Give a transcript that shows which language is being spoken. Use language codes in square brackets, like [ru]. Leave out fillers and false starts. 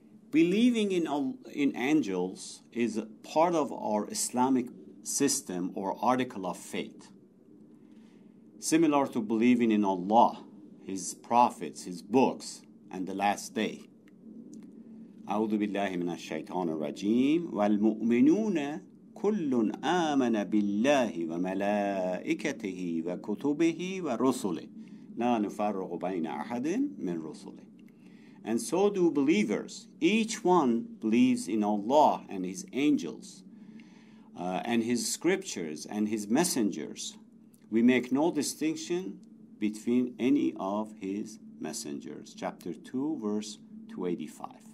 [en] Believing in angels is part of our Islamic system or article of faith. Similar to believing in Allah, His prophets, His books, and the last day. [ar] أعوذ بالله من الشيطان الرجيم والمؤمنون كل آمن بالله وملائكته وكتبه ورسله لا نفرق بين أحد من رسله. [en] And so do believers. Each one believes in Allah and His angels, and His scriptures and His messengers. We make no distinction between any of his messengers. Chapter 2, verse 285.